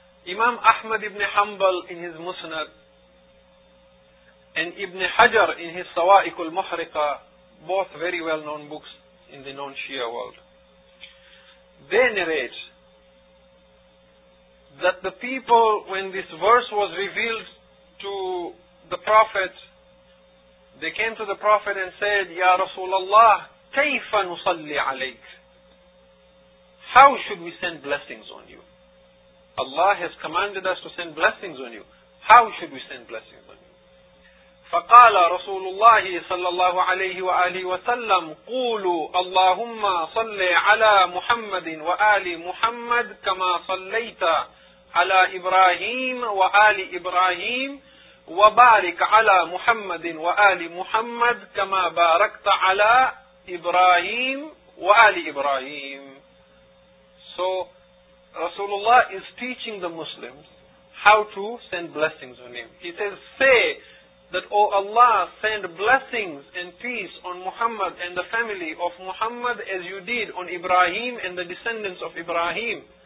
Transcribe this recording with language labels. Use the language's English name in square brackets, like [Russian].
[English] Imam Ahmad ibn Hanbal in his Musnad and Ibn Hajar in his Sawa'ikul Muhriqa, both very well known books in the non-Shia world, they narrate that the people, when this verse was revealed to the Prophet, they came to the Prophet and said, [Arabic] Ya Rasulullah, kayfa nusalli alayk? [English] How should we send blessings on you? Allah has commanded us to send blessings on you. How should we send blessings on you? [Arabic] فقال رسول الله صلى الله عليه وآله وسلم قولوا اللهم صل على محمد وآل محمد كما صليت على إبراهيم وآل إبراهيم وبارك على محمد وآل محمد كما باركت على إبراهيم وآل إبراهيم. [English] So Rasulullah is teaching the Muslims how to send blessings on him. He says, say that, O Allah, send blessings and peace on Muhammad and the family of Muhammad as you did on Ibrahim and the descendants of Ibrahim.